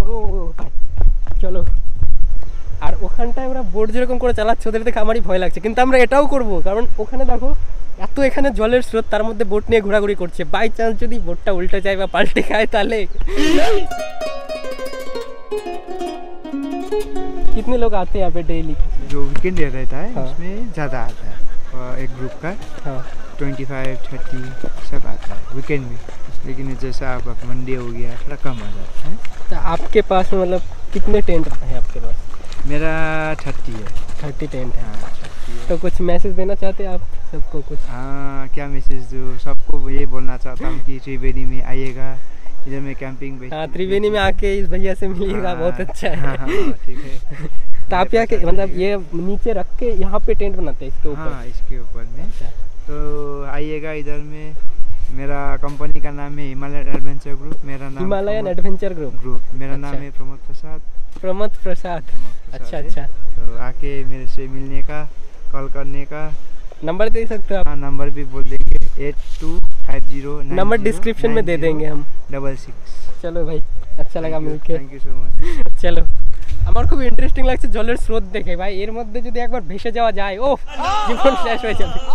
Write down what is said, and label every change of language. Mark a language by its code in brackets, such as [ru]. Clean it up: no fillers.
[bn] ও চলো, আর ওখানটায় আমরা বোর্ড যেরকম করে চালাচ্ছি ওদের দেখে আমারই ভয় লাগছে, কিন্তু আমরা এটাও করবো, কারণ ওখানে দেখো এত এখানে জলের স্রোত, তার মধ্যে বোট নিয়ে ঘোরাঘুরি করছে, বাই চান্স যদি বোটটা উল্টে যায় বা পাল্টে খায় তাহলে। [hi] कितने लोग आते हैं यहाँ पे डेली? जो वीकेंड रहता है उसमें ज़्यादा आता है, एक ग्रुप का 25-30 सब आता है वीकेंड में, लेकिन जैसे आप मंडे हो गया थोड़ा कम आ जाता है। तो आपके पास मतलब कितने टेंट हैं आपके पास? मेरा 30 है। 30 टेंट है, तो कुछ मैसेज देना चाहते हैं आप सबको कुछ? हाँ, क्या मैसेज दो सबको, ये बोलना चाहता हूँ कि त्रिवेणी में आइएगा, इधर में कैंपिंग भी। हाँ, त्रिवेणी में आके इस भैया से मिलिएगा, बहुत अच्छा है। हाँ, ठीक है। तो आप यहाँ के मतलब ये नीचे रख के यहाँ पे टेंट बनाते हैं इसके ऊपर? हाँ, इसके ऊपर में। तो आइएगा इधर में, मेरा कंपनी का नाम है हिमालयन एडवेंचर ग्रुप, मेरा नाम हिमालयन एडवेंचर ग्रुप ग्रुप मेरा नाम है प्रमोद प्रसाद। प्रमोद प्रसाद, अच्छा अच्छा। तो आके मेरे से मिलने का, कॉल करने का। नंबर दे सकते हो आप? नंबर भी बोल देंगे, 8250। नंबर डिस्क्रिप्शन में दे देंगे हम। 66। चलो भाई, अच्छा लगा मिलके। [en] Thank you so much. [bn] चलो, আমার খুব ইন্টারেস্টিং লাগছে জলের স্রোত দেখে, ভাই এর মধ্যে যদি একবার ভেসে যাওয়া যায় ও জীবন শেষ হয়ে যাবে।